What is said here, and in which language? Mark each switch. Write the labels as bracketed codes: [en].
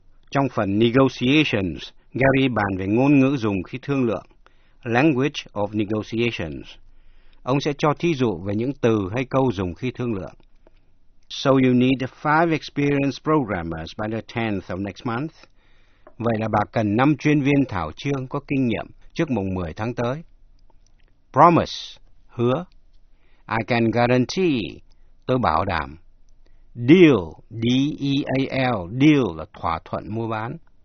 [vi] Trong phần Negotiations, Gary bàn về ngôn ngữ dùng khi thương lượng, Language of Negotiations. Ông sẽ cho thí dụ về những từ hay câu dùng khi thương lượng. [en] So you need 5 experienced programmers by the 10th of next month. [vi] Vậy là bà cần 5 chuyên viên thảo chương có kinh nghiệm trước mùng 10 tháng tới. Promise, hứa. [en] I can guarantee, [vi] tôi bảo đảm. Deal, D-E-A-L, deal là thỏa thuận mua bán.